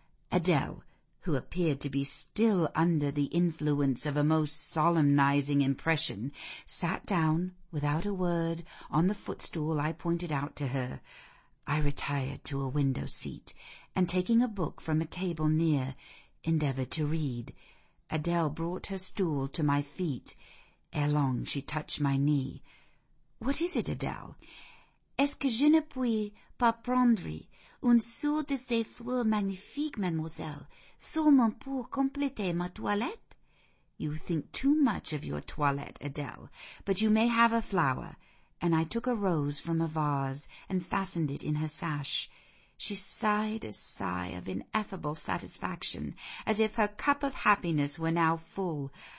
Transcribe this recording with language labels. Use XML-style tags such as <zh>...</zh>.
<en>Adele, who appeared to be still under the influence of a most solemnizing impression, sat down, without a word, on the footstool I pointed out to her. I retired to a window-seat, and taking a book from a table near, endeavoured to read. Adele brought her stool to my feet. Ere long she touched my knee. "What is it, Adele?</en> <fr>Est-ce que je ne puis pas prendre un sou de ces fleurs magnifiques, mademoiselle? Seulement pour compléter ma toilette?"</fr> <en>"You think too much of your toilette, Adele, but you may have a flower." And I took a rose from a vase and fastened it in her sash. She sighed a sigh of ineffable satisfaction, as if her cup of happiness were now full.</en>